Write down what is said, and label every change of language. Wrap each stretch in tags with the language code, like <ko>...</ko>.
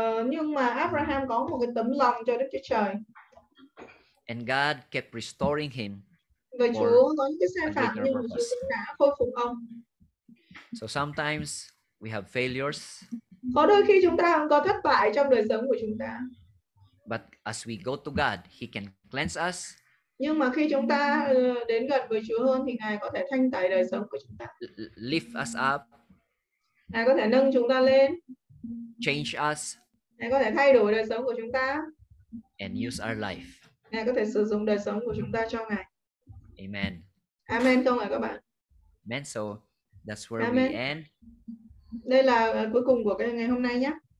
<vi>Nhưng mà Abraham có một cái tấm lòng cho Đức Chúa Trời.</vi> <en>And God kept restoring him.</en> <vi>Và Chúa có những cái sai phạm nhưng mà Chúa đã khôi phục ông.</vi> <en>So sometimes we have failures.</en> <vi>Có đôi khi chúng ta cũng có thất bại trong đời sống của chúng ta.</vi> <en>But as we go to God, he can cleanse us.</en> <vi>Nhưng mà khi chúng ta đến gần với Chúa hơn thì Ngài có thể thanh tẩy đời sống của chúng ta.</vi> <en>Lift us up.</en> <vi>Ngài có thể nâng chúng ta lên.</vi> <en>Change us.</en> <vi>Ngài có thể thay đổi đời sống của chúng ta.</vi> <en>and use our life.</en> <vi>Ngài có thể sử dụng đời sống của chúng ta cho Ngài.</vi> <en>Amen.</en> <vi>Amen không ạ các bạn?</vi> <en>Amen. So that's where Amen. We end.</en> <vi>Đây là cuối cùng của cái ngày hôm nay nhé.</vi>